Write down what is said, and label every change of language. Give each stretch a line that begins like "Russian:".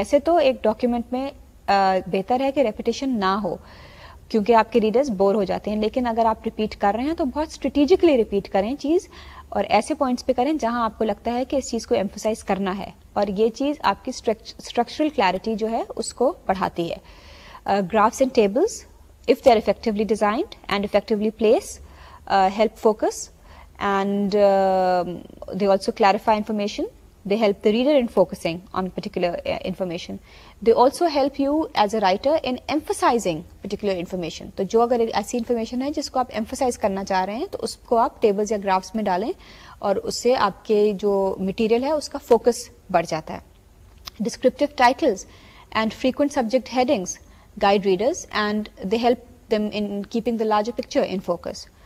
Urdu: ویسے تو ایک ڈاکیومنٹ میں بہتر ہے کہ ریپیٹیشن نہ ہو کیونکہ آپ کے ریڈرز بور ہو جاتے ہیں, لیکن اگر آپ ریپیٹ کر رہے ہیں تو بہت اسٹریٹجکلی ریپیٹ کریں چیز, اور ایسے پوائنٹس پہ کریں جہاں آپ کو لگتا ہے کہ اس چیز کو ایمفسائز کرنا ہے, اور یہ چیز آپ کی اسٹرکچرل کلیئرٹی جو ہے اس کو بڑھاتی ہے.
English: Graphs and tables, if they are effectively designed and effectively placed, help focus, and they also clarify information. They help the reader in focusing on particular information. They also help you as a writer in emphasizing particular information.
Urdu: تو جو اگر ایسی information ہے جس کو آپ emphasize کرنا چاہ رہے ہیں تو اس کو آپ ٹیبلز یا گرافس میں ڈالیں, اور اس سے آپ کے جو مٹیریل ہے اس کا فوکس بڑھ جاتا ہے.
English: Descriptive titles and frequent subject headings guide readers and they help them in keeping the larger picture in focus.